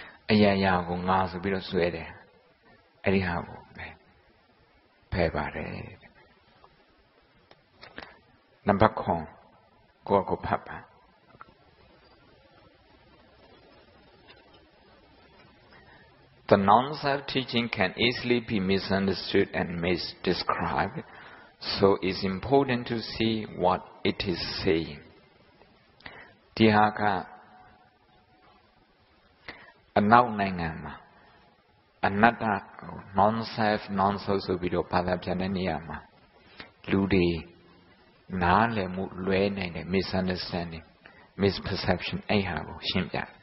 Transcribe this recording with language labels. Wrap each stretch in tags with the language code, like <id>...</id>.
<my>အရာရာကိုငါဆိုပြီးတော့စွဲတယ်အဲ့ဒီဟာကိုပဲဖယ်ပါတယ်နံပါတ်9ကိုယ့်အကိုဖတ်ပါ</my> <en>The non-self teaching can easily be misunderstood and misdescribed. So it's important to see what it is saying.</en> <my>ဒီဟာကအနောက်နိုင်ငံမှာအနတ္တ non-self non-self ဆိုပြီးတော့ဘာသာပြန်တဲ့နေရာမှာလူတွေနားလည်မှုလွဲနိုင်တယ်</my> <en>misunderstanding misperception</en> <my>အဲ့ဟာကိုရှင်းပြ</my>